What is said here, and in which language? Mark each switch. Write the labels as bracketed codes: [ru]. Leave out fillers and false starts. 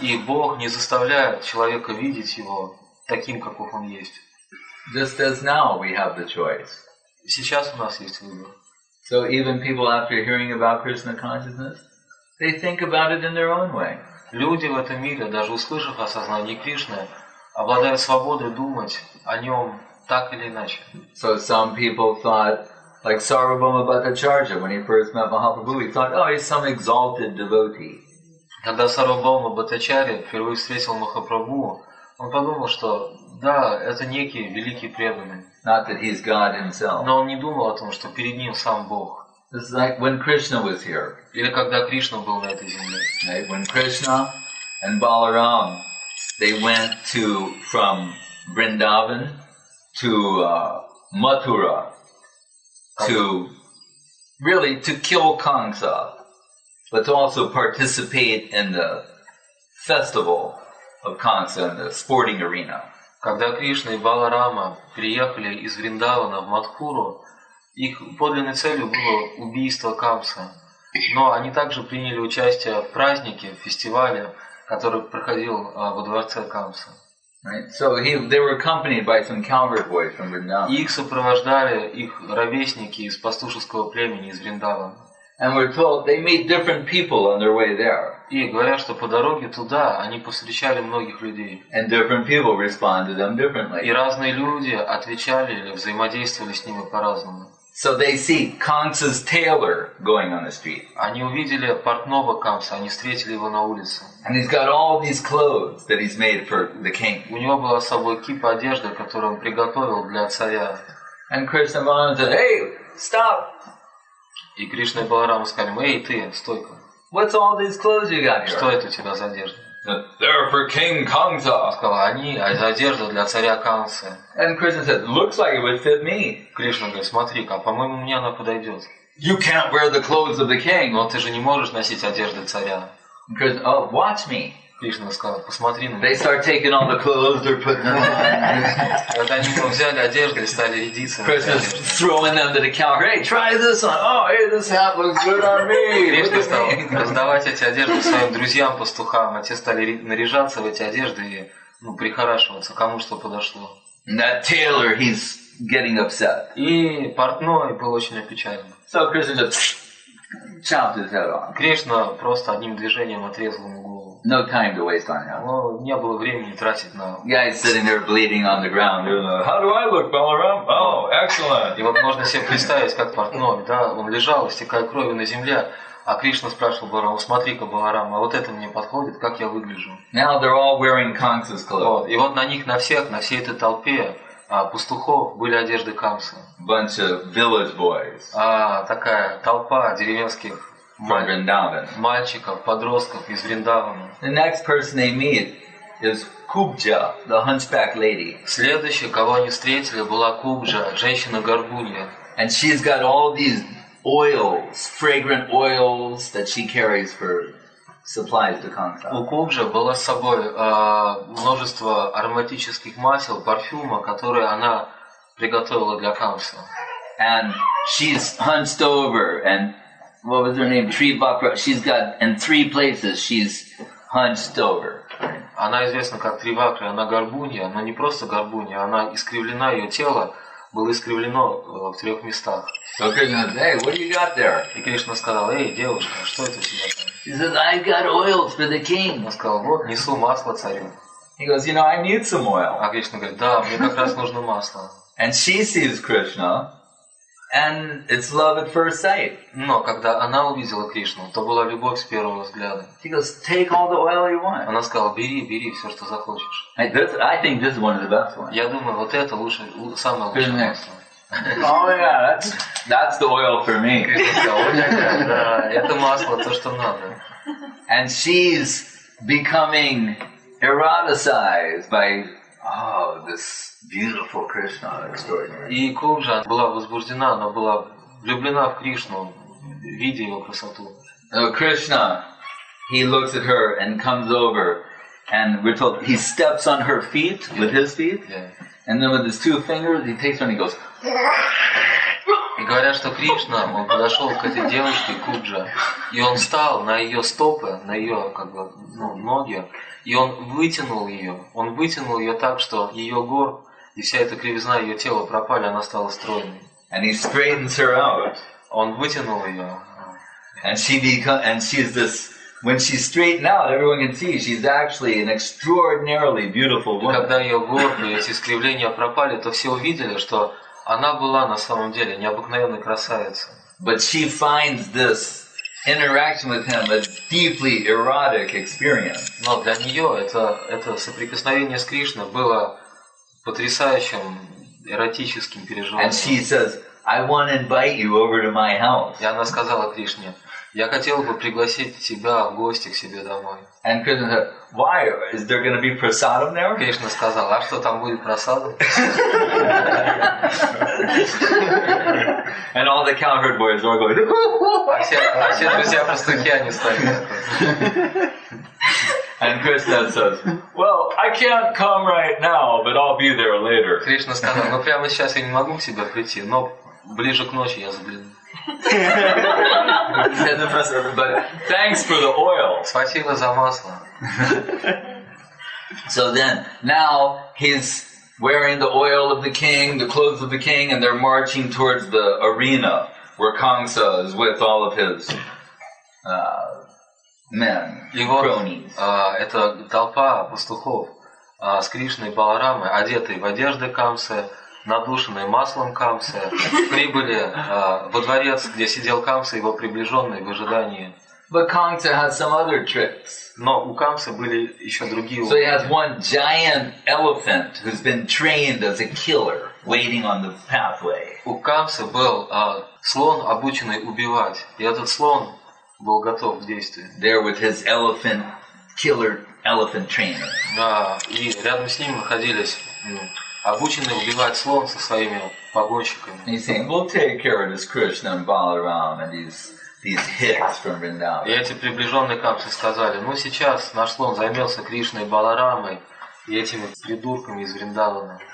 [ru] И Бог не заставляет человека видеть его таким, каков он есть. [en] Just as now we have the choice. [ru] Сейчас у нас есть выбор. [en] So even people after hearing about Krishna consciousness, they think about it in their own way. [ru] Люди в этом мире, даже услышав о сознании Кришны, обладают свободой думать о нем так или иначе. [en] So some people thought, like Sarvabhauma Bhattacharya, when he first met Mahaprabhu, he thought, oh, he's some exalted devotee. [ru] Когда Сарвабхаума Бхаттачарья впервые встретил Махапрабху, он подумал, что да, это некий великий преданный. [en] Not that he's God himself. [ru] Но он не думал о том, что перед ним сам Бог. [en] It's like when Krishna was here. [ru] Или когда Кришна был на этой земле. [en] Right? When Krishna and Balaram, they went to from Vrindavan to Mathura to really to kill Kamsa, but to also participate in the festival of Kamsa in the sporting arena. [ru] Когда Кришна и Баларама приехали из Вриндавана в Матхуру, их подлинной целью было убийство Камса. Но они также приняли участие в празднике, в фестивале, который проходил во дворце Камса. [en] Right. So they were accompanied by some cowherd boys from Vrindavan. [ru] Их сопровождали их ровесники из пастушеского племени из Вриндавана. [en] And we're told they meet different people on their way there. [ru] И говорят, что по дороге туда они повстречали многих людей. [en] And different people respond to them differently. [ru] И разные люди отвечали или взаимодействовали с ними по-разному. [en] So they see Kamsa's tailor going on the street. [ru] Они увидели портного Камса, они встретили его на улице. [en] And he's got all these clothes that he's made for the king. [ru] У него была с собой кипа одежды, которую он приготовил для царя. [en] And Krishna Balaram said, "Hey, stop!" [ru] И Кришна и Баларама сказали ему, эй, ты, стой-ка. [en] What's all these clothes you got here? [ru] Что это у тебя за одежда? [en] They're for King Kamsa. [ru] Он сказал, они, а это одежда для царя Камсы. [en] And Krishna said, looks like it would fit me. [ru] Кришна говорит, смотри-ка, по-моему, мне она подойдет. [en] You can't wear the clothes of the king. [ru] Но ты же не можешь носить одежды царя. [en] Krishna, oh, watch me. [ru] Кришна сказал, посмотри на меня. [en] They start taking all the clothes they're putting on. [ru] Вот они взяли одежду и стали рядиться. [en] Krishna's throwing them to the cow. Hey, try this on. Oh, hey, this hat looks good on me. [ru] Кришна стал раздавать эти одежды своим друзьям-пастухам, а те стали наряжаться в эти одежды и прихорашиваться, кому что подошло. [en] That tailor, he's getting upset. [ru] И портной был очень опечален. [en] So Krishna just chopped his head off. [ru] Кришна просто одним движением отрезал ему голову. [en] No time to waste on him. [ru] Ну, не было времени тратить на. [en] Guy sitting there bleeding on the ground. How do I look, Balaram? Oh, excellent. [ru] И вот можно себе представить, как портной, да, он лежал, истекая кровью на земле, а Кришна спрашивал Баларама: "Смотри-ка, Баларам, а вот это мне подходит, как я выгляжу?" [en] Now they're all wearing Kamsa's clothes. [ru] Вот, и вот на них, на всей этой толпе пастухов были одежды Камсы. [en] Bunch of village boys. [ru] А, такая толпа деревенских. Мальчиков, подростков из Вриндавана. [en] The next person they meet is Kubja, the hunchback lady. [ru] Следующая, кого они встретили, была Кубжа, женщина-горбунья. [en] And she's got all these oils, fragrant oils that she carries for supplies to Kamsa. [ru] У Кубжи было с собой множество ароматических масел, парфюма, которые она приготовила для Камса. [en] And she's hunched over and what was her name? Tree Bapra. She's got in three places she's hunched over. [ru] Она известна как Tree Bapra, она горбунья, но не просто горбунья, она искривлена, ее тело было искривлено в трех местах. [en] So Krishna said, hey, what do you got there? [ru] И Кришна сказал, эй, девушка, что это у тебя там? [en] He said, I got oils for the king. [ru] Он сказал, вот, несу масло царю. [en] He goes, you know, I need some oil. [ru] А Кришна говорит, да, мне как раз нужно масло. [en] And she sees Krishna. And it's love at first sight. [ru] Но когда она увидела Кришну, то была любовь с первого взгляда. [en] She goes, take all the oil you want. [ru] Она сказала, бери, бери все, что захочешь. [en] I think this is one of the best ones. [ru] Я думаю, вот это лучше, самое лучшее масло. [en] Oh yeah, that's the oil for me. [ru] Это масло, то, что надо. [en] And she's becoming eroticized by this beautiful Krishna, extraordinary. [ru] И Кубжа была возбуждена, она была влюблена в Кришну, видя его красоту. [en] So Krishna, he looks at her and comes over, and we're told he steps on her feet with his feet, and then with his two fingers he takes her and he goes. [ru] И говорят, что Кришна, он подошел к этой девушке Кубжа, и он встал на ее стопы, на ее ноги. И он вытянул ее так, что ее гор И вся эта кривизна ее тела пропали, она стала стройной. [en] And he straightens her out. [ru] Он вытянул ее. [en] And she become, and she's this. When she's straightened out, everyone can see she's actually an extraordinarily beautiful woman. [ru] Когда ее горбы, эти искривления пропали, то все увидели, что она была на самом деле необыкновенной красавицей. [en] But she finds this interaction with him a deeply erotic experience. [ru] Но для нее это соприкосновение с Кришной было потрясающим эротическим переживанием. [en] And she says, "I want to invite you over to my house." [ru] И она сказала Кришне, "Я хотела бы пригласить тебя в гости к себе домой." [en] And Krishna said, "Why? Is there going to be prasadam there?" [ru] Кришна сказала, "А что там будет прасадом?" [en] And all the cowherd boys are going. [ru] А все друзья пастухи они стали. [en] And Krishna says, "Well, I can't come right now, but I'll be there later." [ru] Кришна сказал, "Ну прямо сейчас я не могу к тебе прийти, но ближе к ночи я загляну." [en] But thanks for the oil. [ru] Спасибо за масло. [en] So then, now he's wearing the oil of the king, the clothes of the king, and they're marching towards the arena where Kamsa is with all of his men, [ru] вот, [en] cronies. [ru] Это толпа пастухов с Кришной Баларамой, одетые в одежды Камсы, надушенные маслом Камсы, прибыли во дворец, где сидел Камса и его приближенные в ожидании. [en] But Kamsa had some other tricks. [ru] Но у Камсы были еще другие. [en] So he has one giant elephant who's been trained as a killer waiting on the pathway. [ru] У Камсы был слон, обученный убивать, и этот слон был готов к действию. [en] There with his elephant killer elephant trainer. [ru] Да, и рядом с ним находились обученный убивать слон со своими погонщиками. [en] He's saying, "We'll take care of this Krishna and Balaram and these hicks from Vrindavan." [ru] И эти приближенные Камсы сказали: "Ну сейчас наш слон займется Кришной и Баларамой и этими придурками из Вриндавана."